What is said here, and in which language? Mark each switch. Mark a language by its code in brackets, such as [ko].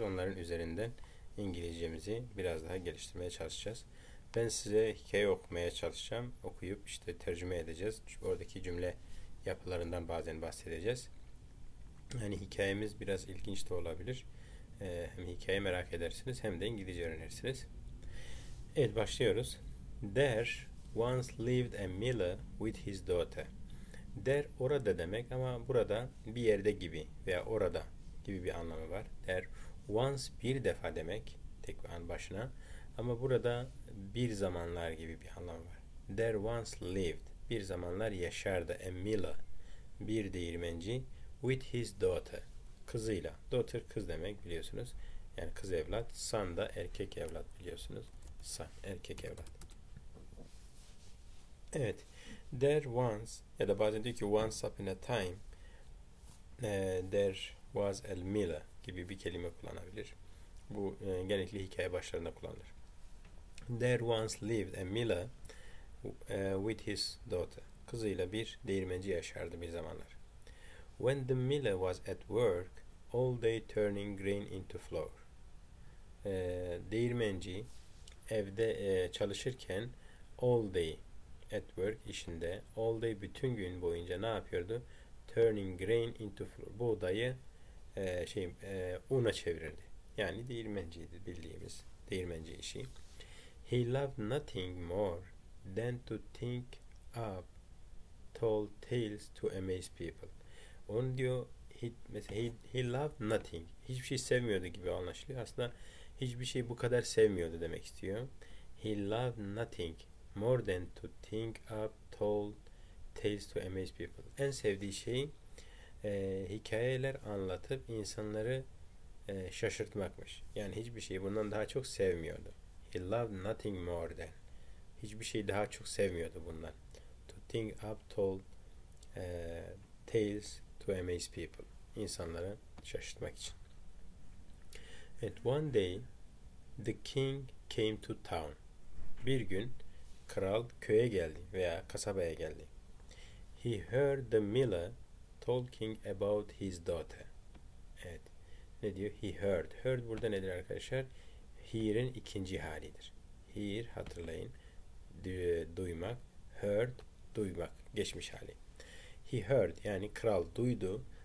[tr] Onların üzerinden İngilizcemizi biraz daha geliştirmeye çalışacağız. Ben size hikaye okumaya çalışacağım. Okuyup işte tercüme edeceğiz. Oradaki cümle yapılarından bazen bahsedeceğiz. Yani hikayemiz biraz ilginç de olabilir. Hem hikaye merak edersiniz hem de İngilizce öğrenirsiniz. Evet, başlıyoruz. [en] There once lived a miller with his daughter. [tr] There orada demek ama burada bir yerde gibi veya orada gibi bir anlamı var. [en] There once [tr] bir defa demek tek bir an başına ama burada bir zamanlar gibi bir anlamı var. [en] There once lived [tr] bir zamanlar yaşardı [en] a miller [tr] bir değirmenci [en] with his daughter. [tr] Kızıyla. Daughter kız demek biliyorsunuz. Yani kız evlat. Son da erkek evlat biliyorsunuz. Son erkek evlat. Evet. [en] There once [tr] ya da bazen diyor ki [en] once upon a time there was a miller [tr] gibi bir kelime kullanabilir. Bu genellikle hikaye başlarında kullanılır. [en] There once lived a miller with his daughter. [tr] Kızıyla bir değirmenci yaşardı bir zamanlar. [en] When the miller was at work all day turning grain into flour. [tr] Değirmenci evde çalışırken [en] all day at work [tr] işinde [en] all day [tr] bütün gün boyunca ne yapıyordu? [en] Turning grain into flour. [tr] Buğdayı una çevirirdi. Yani değirmenciydi bildiğimiz değirmenci işi. [en] He loved nothing more than to think up tall tales to amaze people. [tr] Onu diyor [en] he loved nothing. [tr] Hiçbir şey sevmiyordu gibi anlaşılıyor. Aslında hiçbir şey bu kadar sevmiyordu demek istiyor. [en] He loved nothing more than to think up tall tales to amaze people. [tr] En sevdiği şey hikayeler anlatıp insanları şaşırtmakmış. Yani hiçbir şeyi bundan daha çok sevmiyordu. [en] He loved nothing more than. [tr] Hiçbir şeyi daha çok sevmiyordu bundan. [en] To think up tall tales to amaze people. [tr] İnsanları şaşırtmak için. [en] At one day the king came to town. [tr] Bir gün kral köye geldi veya kasabaya geldi. [en] He heard the miller talking about his daughter. [tr] Evet. Ne diyor? [en] He heard. [tr] Heard burada nedir arkadaşlar? Hear'in ikinci halidir. Hear hatırlayın. Duymak. Heard duymak. Geçmiş hali. [en] He heard [tr] yani kral duydu.